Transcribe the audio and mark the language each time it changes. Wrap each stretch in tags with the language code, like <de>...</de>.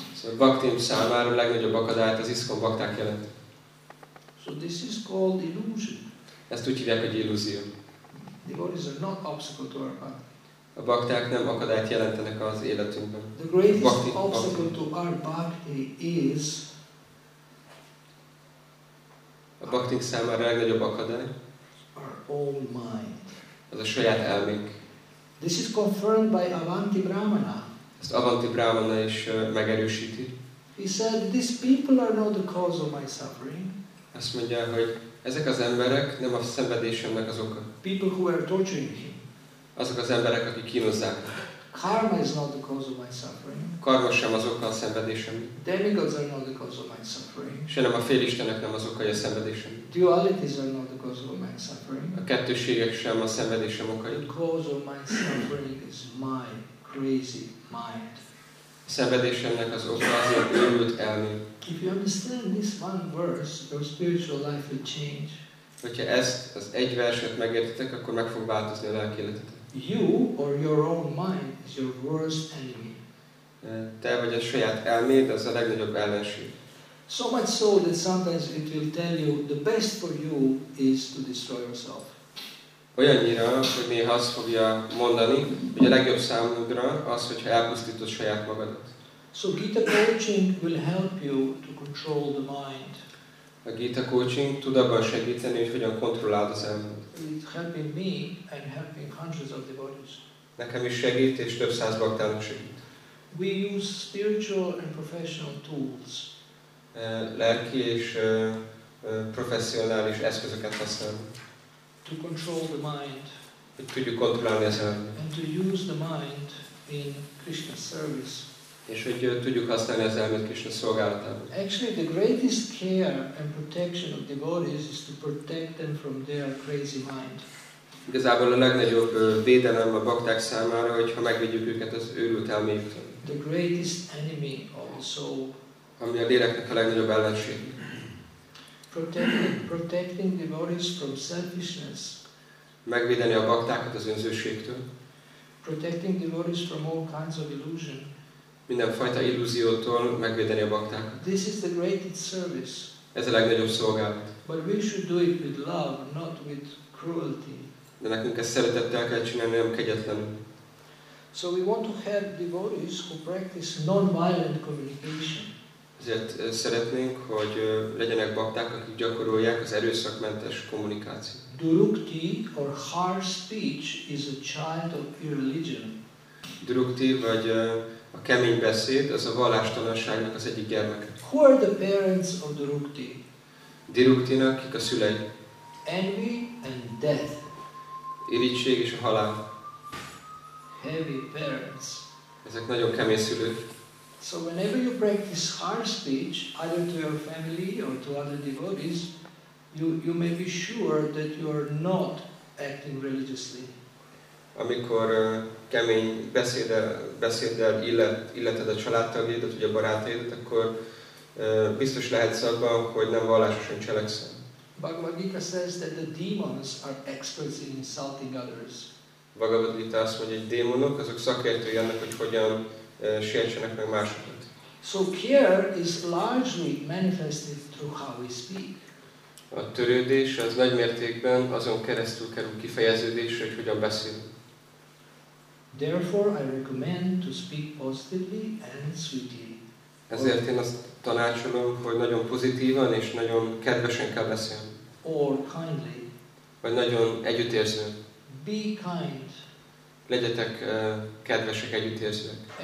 <hu>So a bhaktim számára a legnagyobb akadályt az iskon bhakták jelent.</hu> <en>So this is called illusion.</en> <hu>Ezt úgy hívják, hogy illúzió.</hu> <en>Devotees are not obstacle to our bhakti.</en> <hu>A bhakták nem akadályt jelentenek az életünkben.</hu> <en>The greatest bhakti, obstacle bhakti. To our bhakti is</en> <hu>a bhaktink számára a legnagyobb akadály</hu> <en>our own mind.</en> <hu>Ez a saját elmék.</hu> <en>This is confirmed by Avanti Brahmana.</en> <hu>Ezt Avanti Brahmana is megerősíti.</hu> <en>He said, these people are not the cause of my suffering.</en> <hu>Azt mondja, hogy ezek az emberek nem a szenvedésemnek az oka.</hu> <en>People who are torturing him.</en> <hu>Azok az emberek, akik kínozzák.</hu> <en>Karma is not the cause of my suffering.</en> <hu>Karma sem az oka a szenvedésemnek.</hu> <en>Demigods are not the cause of my suffering.</en> <hu>Sem a félistenek nem az oka a szenvedésemnek.</hu> <en>Dualities are not the cause of my suffering.</en> <hu>A kettőségek sem a szenvedésem oka.</hu> <en>The cause of my suffering is my crazy mind.</en> <hu>A szenvedésemnek az oka az én őrült elmém.</hu> <en>If you understand this one verse, your spiritual life will change.</en> <hu>Hogyha ezt az egy verset megértitek, akkor meg fog változni a lelki életetek.</hu> <en>You or your own mind is your worst enemy.</en> <hu>Te vagy a saját elméd, az a legnagyobb ellenség.</hu> <en>So much so that sometimes it will tell you the best for you is to destroy yourself.</en> <hu>Olyannyira, hogy néha azt fogja mondani, hogy a legjobb számodra az, hogyha elpusztítod saját magadat.</hu> <en>So Gita coaching will help you to control the mind.</en> <hu>A Gita coaching tud abban segíteni, hogy hogyan kontrolláld az elmét.</hu> <en>It helping me and helping hundreds of devotees.</en> <hu>Nekem is segít, és több száz baktának segít.</hu> <en>We use spiritual and professional tools.</en> <hu>Lelki és professzionális eszközöket használunk.</hu> <en>To control the mind.</en> <hu>Hogy tudjuk kontrollálni az elmét.</hu> <en>And to use the mind in Krishna's service.</en> <hu>És hogy tudjuk használni az elmét Krishna szolgálatában.</hu> <en>Actually, the greatest care and protection of devotees is to protect them from their crazy mind.</en> <hu>Igazából a legnagyobb védelem a bakták számára, hogyha megvédjük őket az őrült elméktől.</hu> <en>The greatest enemy of the soul.</en> <hu>Ami a léleknek a legnagyobb ellenség.</hu> <en>Protecting devotees from selfishness.</en> <hu>Megvédeni a baktákat az önzőségtől.</hu> <en>Protecting devotees from all kinds of illusion.</en> <hu>Mindenfajta illúziótól megvédeni a baktákat.</hu> <en>This is the greatest service.</en> <hu>Ez a legnagyobb szolgálat.</hu> <en>But we should do it with love, not with cruelty.</en> <hu>De nekünk ezt szeretettel kell csinálni, nem kegyetlenül.</hu> <en>So we want to help devotees who practice non-violent communication.</en> <hu>Ezért szeretnénk, hogy legyenek bakták, akik gyakorolják az erőszakmentes kommunikációt.</hu> <en>Durukti or harsh speech is a child of irreligion.</en> <hu>Durukti vagy a kemény beszéd az a vallástalanságnak az egyik gyermeke.</hu> <en>Who are the parents of Durukti?</en> <hu>Duruktinak kik a szülei?</hu> <en>Envy and death.</en> <hu>Irigység és a halál.</hu> <en>Heavy parents.</en> <hu>Ezek nagyon kemény szülők.</hu> <en>So whenever you practice harsh speech, either to your family or to other devotees, you may be sure that you are not acting religiously.</en> <hu>Amikor kemény beszéddel illeted a családtagjaidat, vagy a barátaidat, akkor biztos lehetsz abban, hogy nem vallásosan cselekszel.</hu> <en>Bhagavad Gita says that the demons are experts in insulting others.</en> <hu>Bhagavad Gita azt mondja, hogy démonok, azok szakértői annak, hogy hogyan sértsenek meg másokat.</hu> <en>So care is largely manifested through how we speak.</en> <hu>A törődés az nagy mértékben azon keresztül kerül kifejeződésre, hogy hogyan beszélünk.</hu> <en>Therefore, I recommend to speak positively and sweetly.</en> <hu>Ezért én azt tanácsolom, hogy nagyon pozitívan és nagyon kedvesen kell beszélni.</hu> <en>Or kindly.</en> <hu>Vagy nagyon együttérzően.</hu> <en>Be kind.</en> <hu>Legyetek kedvesek, együttérzőek.</hu>